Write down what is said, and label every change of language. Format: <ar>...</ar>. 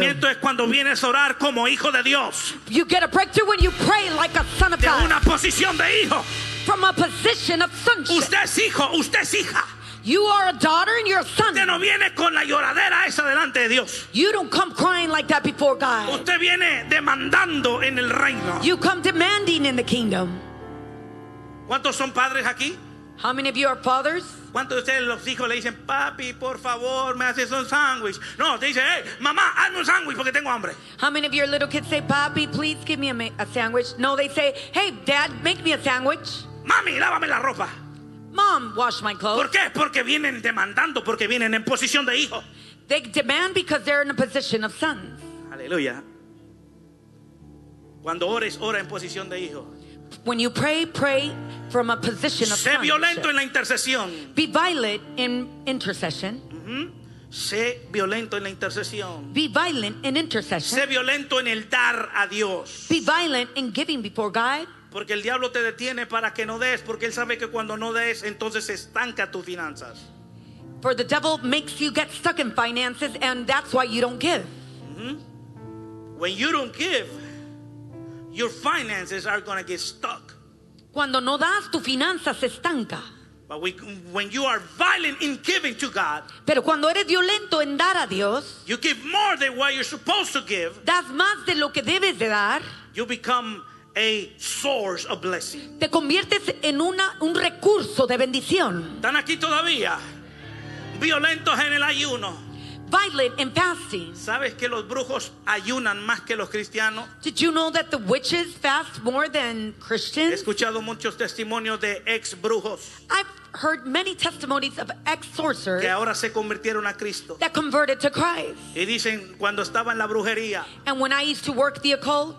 <es>El rompimiento es cuando vienes a orar como hijo de Dios.</es> <en>You get a breakthrough when you pray like a son of God.</en> <es>De una posición de hijo.</es> <en>From a position of sonship.</en> <es>Usted es hijo, usted es hija.</es> <en>You are a daughter and you're a son.</en> <es>Usted no viene con la lloradera esa delante de Dios.</es> <en>You don't come crying like that before God.</en> <es>Usted viene demandando en el reino.</es> <en>You come demanding in the kingdom.</en> <es>¿Cuántos son padres aquí?</es> <en>How many of you are fathers?</en> <es>¿Cuántos de ustedes los hijos le dicen, papi, por favor, me haces un sándwich? No, te dice, hey, mamá, hazme un sándwich porque tengo hambre.</es> <en>How many of your little kids say, papi, please give me a sandwich? No, they say, hey, dad, make me a sandwich.</en> <es>Mami, lávame la ropa.</es> <en>Mom, wash my clothes.</en> <es>¿Por qué? Porque vienen demandando, porque vienen en posición de hijo.</es> <en>They demand because they're in a position of sons.</en> <es>Aleluya. Cuando ores, ora en posición de hijo.</es> <en>When you pray, pray from a position of</en> <es>sonship. Sé violento en la intercesión.</es> <en>Be violent in intercession.</en> <es>Sé violento en la intercesión.</es> <en>Be violent in intercession.</en> <es>Sé violento en el dar a Dios.</es> <en>Be violent in giving before God.</en> <es>Porque el diablo te detiene para que no des, porque él sabe que cuando no des, entonces se estanca tus finanzas.</es> <en>For the devil makes you get stuck in finances, and that's why you don't give. When you don't give, your finances are going to get stuck.</en> <es>Cuando no das, tu finanza se estanca.</es> <en>But when you are violent in giving to God,</en> <es>pero cuando eres violento en dar a Dios,</es> <en>you give more than what you're supposed to give,</en> <es>das más de lo que debes de dar,</es> <en>you become a source of blessing.</en> <es>Te conviertes en un recurso de bendición. ¿Están aquí todavía? Violentos en el ayuno.</es> <en>Violent in fasting.</en> <es>¿Sabes que los brujos ayunan más que los cristianos?</es> <en>Did you know that the witches fast more than Christians?</en> <es>He escuchado muchos testimonios de ex brujos.</es> <en>I've heard many testimonies of ex sorcerers</en> <es>que ahora se convirtieron a Cristo.</es> <en>That converted to Christ.</en> <es>Y dicen, cuando estaba en la brujería,</es> <en>and when I used to work the occult,</en>